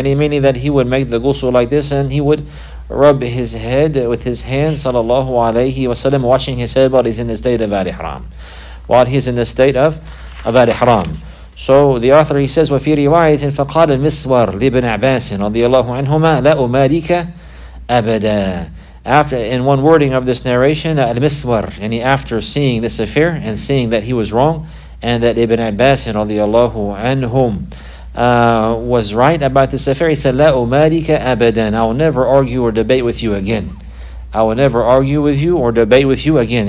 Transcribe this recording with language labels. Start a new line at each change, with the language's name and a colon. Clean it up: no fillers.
English: Yani meaning that he would make the ghusl like this and he would rub his head with his hands, sallallahu alayhi wa sallam, washing his head while he's in the state of al-ihram. While he's in the state of al-ihram. So the author, he says,
Arabic: وَفِي رِوَايَةٍ فَقَالَ الْمِسْوَرْ لِبْنِ عَبَاسٍ رَضِيَ اللَّهُ عَنْهُمَا لَأُمَارِكَ أَبَدًا.
English: In one wording of this narration, al-miswar, and he, after seeing this affair and seeing that he was wrong and that Ibn Abbas رَضِيَ اللَّهُ عَنْهُمْ was right about this affair, he said,
Arabic: لَأُمَارِكَ أَبَدًا.
English: I will never argue or debate with you again. I will never argue with you or debate with you again.